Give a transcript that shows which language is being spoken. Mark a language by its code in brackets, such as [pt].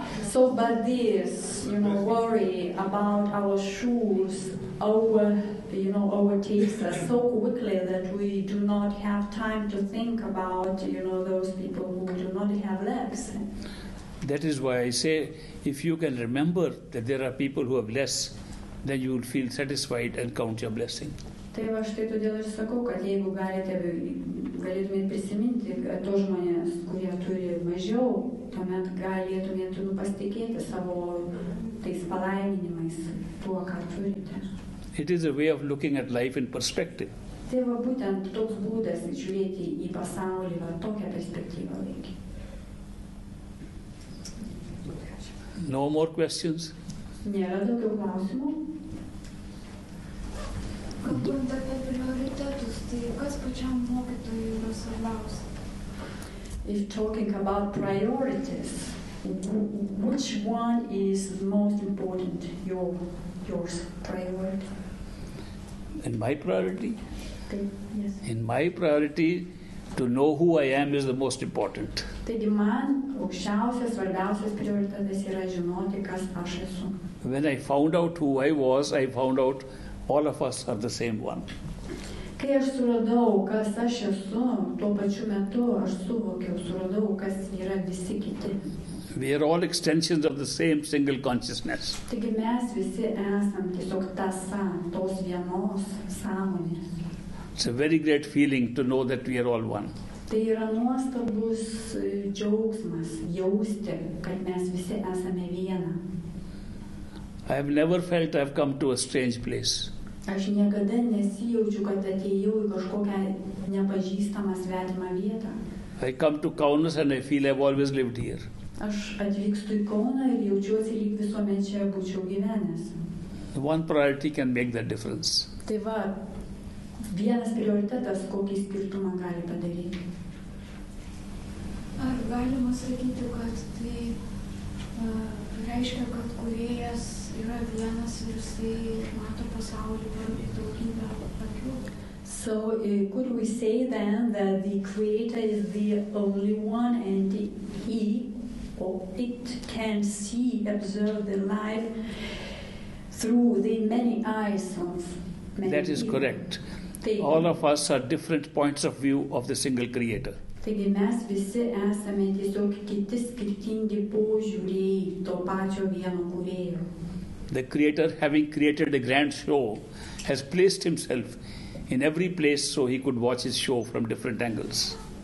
[en] So, but this, you know, worry about our shoes, our, you know, our taste so quickly that we do not have time to think about, you know, those people who do not have legs. That is why I say, if you can remember that there are people who have less, then you will feel satisfied and count your blessing. [lt] Tai va štai todėl ir sakau, kad jeigu galėtumėt prisiminti tos žmonės, kurie turi mažiau, tuomet galėtumėt pasitikėti savo tais palaiminimais tuo, ką turite. [en] It is a way of looking at life in perspective. [lt] Tai va būtent toks būdas žiūrėti į pasaulį, va tokią perspektyvą laikį. [en] No more questions? [lt] Nėra daugiau klausimų. Kalbant apie prioritetus, tai kas pačiam mokytojui yra svarbiausia? [en] If talking about priorities, which one is most important, your priority? In my priority? Yes. In my priority, to know who I am is the most important. [lt] Taigi man aukščiausias, svarbiausias prioritetas yra žinoti, kas aš esu. [en] When I found out who I was, I found out all of us are the same one. [lt] Kai aš suradau, kas aš esu, tuo pačiu metu aš suvokiau, suradau, kas yra visi kiti. [en] We are all extensions of the same single consciousness. [lt] Taigi mes visi esam tiesiog tasa, tos vienos sąmonės. [en] It's a very great feeling to know that we are all one. [lt] Tai yra nuostabus džiaugsmas, jausti, kad mes visi esame viena. [en] I have never felt I have come to a strange place. [lt] Aš niekada nesijaučiu, kad atėjau į kažkokią nepažįstamą svetimą vietą. [en] I come to Kaunas and I feel I've always lived here. [lt] Aš atvykstu į Kauną ir jaučiuosi lyg visuomet čia būčiau gyvenęs. [en] One priority can make the difference. [lt] Tai va, vienas prioritetas kokį skirtumą gali padaryti. Ar galima sakyti, kad tai reiškia, kad kūrėjas yra vienas ir jisai mato pasaulį per daugybę akių. [en] So, could we say then that the creator is the only one and he or it can see, observe the life through the many eyes of many people? That is correct. All of us are different points of view of the single creator. [lt] Taigi mes visi esame tiesiog kiti skirtingi požiūriai to pačio vieno kūrėjo. [en] The creator, having created a grand show, has placed himself in every place so he could watch his show from different angles.